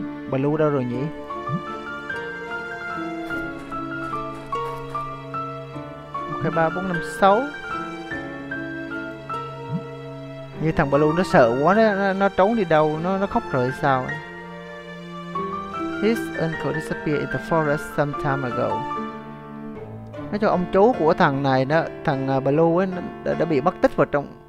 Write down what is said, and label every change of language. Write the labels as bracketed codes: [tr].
[vi] Blue đâu rồi nhỉ? Một, hai, ba, bốn, năm, sáu. Như thằng Blue nó sợ quá, nó trốn đi đâu, nó khóc rồi sao? [en] His uncle disappeared in the forest some time ago. [vi] Nói cho ông chú của thằng này đó, thằng Blue ấy, đã bị mất tích vào trong.